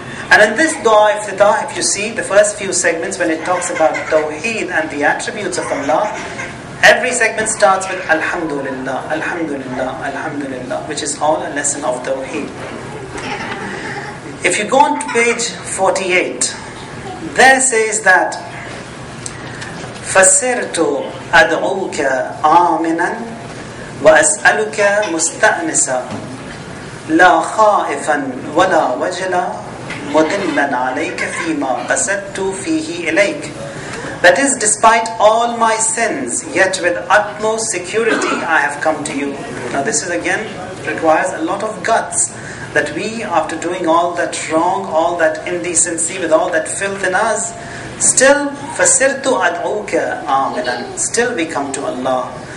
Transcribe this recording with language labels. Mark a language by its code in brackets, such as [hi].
[en] And in this dua iftitah, if you see the first few segments when it talks about Tawheed and the attributes of Allah, every segment starts with Alhamdulillah, Alhamdulillah, Alhamdulillah, which is all a lesson of Tawheed. If you go on to page 48, there says that [ar] فَسِرْتُ أَدْعُوكَ آمِنًا وأسألك مستأنسا لا خائفا ولا وجلا مدلا عليك فيما قصدت فيه إليك. [en] That is, despite all my sins, yet with utmost security I have come to you. Now this is again requires a lot of guts, that we, after doing all that wrong, all that indecency, with all that filth in us, still [ar] فَسِرْتُ أَدْعُوكَ آمِنًا, [en] still we come to Allah.